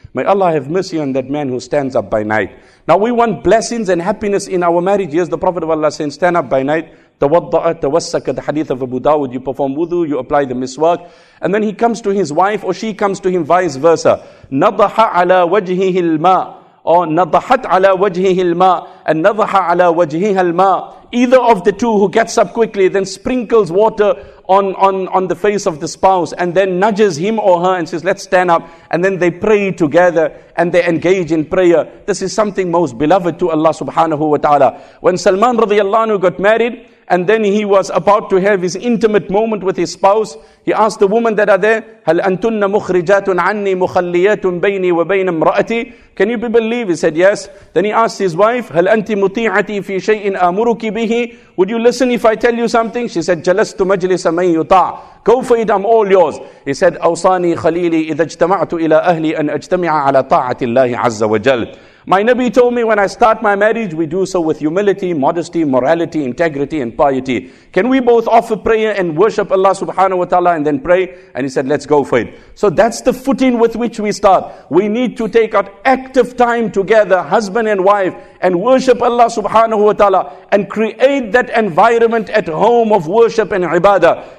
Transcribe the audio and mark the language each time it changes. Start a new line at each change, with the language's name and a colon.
English: May Allah have mercy on that man who stands up by night. Now we want blessings and happiness in our marriage. Yes, the Prophet of Allah saying, stand up by night.
Arabic: تَوَضَّأَ تَوَسَّكَ.
English: The hadith of Abu Dawud, you perform wudu, you apply the miswak. And then he comes to his wife or she comes to him, vice versa.
Arabic: نَضَحَ عَلَى وَجْهِهِ الْمَا. Or نَضَحَتْ عَلَى وَجْهِهِ الْمَا. And نَضَحَ عَلَى وَجْهِهَ الْمَا.
English: Either of the two who gets up quickly, then sprinkles water on the face of the spouse and then nudges him or her and says, let's stand up. And then they pray together and they engage in prayer. This is something most beloved to Allah subhanahu wa ta'ala. When Salman radiallahu anhu got married and then he was about to have his intimate moment with his spouse, he asked the woman that are there,
Arabic: هَلْ أَنْتُنَّ مُخْرِجَاتٌ عَنِّي مُخَلِّيَاتٌ بَيْنِي وَبَيْنَ امْرَأَتِي.
English: Can you people leave? He said, yes. Then he asked his wife,
Arabic: هَلْ أَنْتِ مُطِيعَتِي فِي شَيْءٍ أَمُرُكِ بِهِ.
English: Would you listen if I tell you something? She said,
Arabic: جَلَسْتُ مَجْلِسَ مَنْ يُطَعَ.
English: Go for it, I'm all yours. He said,
Arabic: أَوْصَانِي خَلِيلِي إِذَا اجْتَمَعْتُ إِلَىٰ أَهْلِي أَنْ أَجْتَمِعَ عَلَىٰ طَاعَةِ اللَّهِ عَزَّ وَجَلْ.
English: My Nabi told me when I start my marriage, we do so with humility, modesty, morality, integrity, and piety. Can we both offer prayer and worship Allah subhanahu wa ta'ala and then pray? And he said, let's go for it. So that's the footing with which we start. We need to take out active time together, husband and wife, and worship Allah subhanahu wa ta'ala and create that environment at home of worship and ibadah.